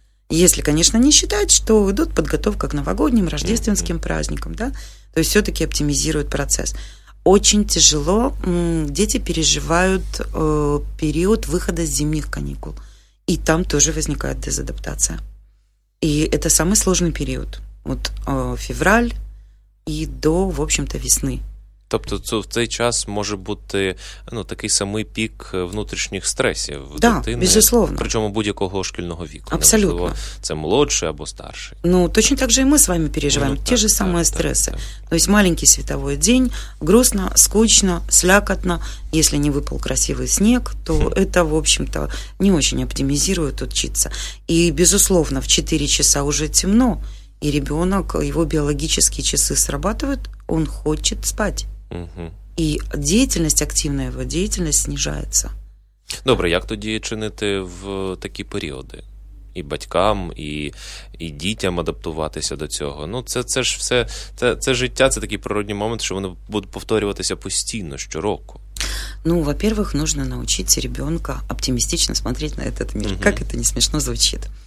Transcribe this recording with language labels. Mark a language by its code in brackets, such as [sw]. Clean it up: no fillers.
[ru] Если, конечно, не считать, что идут подготовка к новогодним, рождественским праздникам, да, то есть все-таки оптимизируют процесс. Очень тяжело дети переживают период выхода с зимних каникул. И там тоже возникает дезадаптация. И это самый сложный период. Вот февраль, [uk] і до, [ru] в общем-то, [uk] весни. Тобто в цей час може бути, ну, такий самий пік внутрішніх стресів, [ru] да, [uk] дитини. [ru] Безусловно. [uk] Причому будь-якого шкільного віку. Абсолютно. Це молодший або старший. Ну, точно так же і ми з вами переживаємо, ну, ті ж самі стреси. Тобто маленький світовий день, [ru] грустно, скучно, слякотно. [uk] Якщо не випав красивий сніг, то це, [ru] в общем-то, не очень [uk] оптимізує тут вчитися. І, [ru] безусловно, в 4 часа [uk] вже темно. [ru] И ребенок, его биологические часы срабатывают, он хочет спать. Угу. И деятельность, активная его деятельность снижается. [uk] Добре, як тоді чинити в такі періоди? І батькам, і дітям адаптуватися до цього. Ну, це ж все, це життя, це такий природний момент, що вони будуть повторюватися постійно, щороку. [ru] Ну, во-первых, нужно научить ребенка оптимистично смотреть на этот мир. Угу. Как это не смешно звучит?